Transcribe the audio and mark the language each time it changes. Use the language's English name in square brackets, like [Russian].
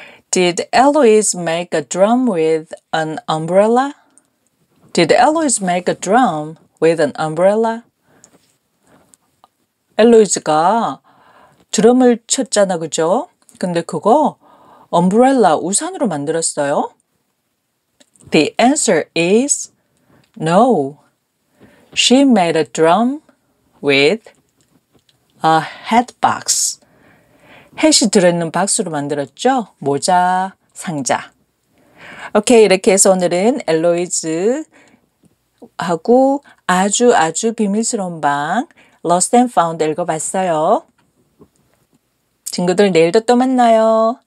[English] Did Eloise make a drum with an umbrella? Did Eloise make a drum with an umbrella? [Korean] 엘로이즈가 드럼을 쳤잖아, 그죠? 근데 그거 umbrella 우산으로 만들었어요? [English] The answer is no. She made a drum with a hat box. [Korean] 햇이 들어있는 박스로 만들었죠? 모자, 상자. 오케이, 이렇게 해서 오늘은 엘로이즈하고 아주 아주 비밀스러운 방 Lost and Found 읽어봤어요. 친구들 내일도 또 만나요.